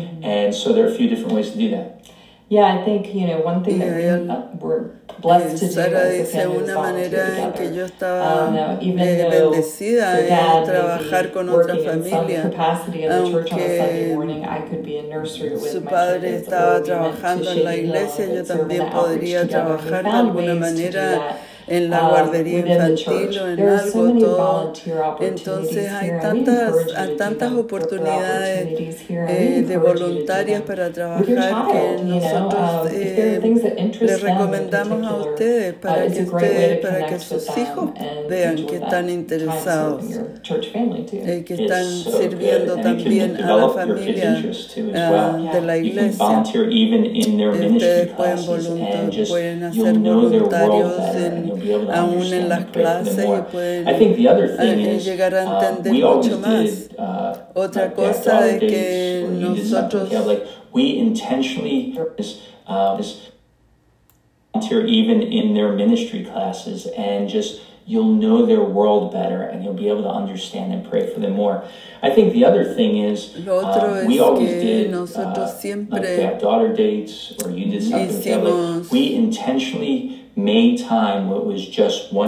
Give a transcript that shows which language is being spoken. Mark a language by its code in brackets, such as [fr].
[en] And so there are a few different ways to do that. Yeah, I think, you know, one thing that we're blessed to do as a family is volunteer together. Now, even though their dad may be working in some capacity in the church on a Sunday morning, I could be a nursery with my kids. [es] Su padre estaba trabajando en la iglesia, yo también podría trabajar de alguna manera en la guardería infantil o en algo, todo. Entonces hay tantas oportunidades de voluntarias para trabajar que nosotros les recomendamos a ustedes para que sus hijos vean que están interesados y que están sirviendo también a la familia de la iglesia. Ustedes pueden hacer voluntarios en aún en las clases y pueden llegar a entender mucho más. Otra cosa es que nosotros [en] even in their ministry classes, and just you'll know their world better and you'll be able to understand and pray for them more. I think the other thing is we intentionally made time what was just one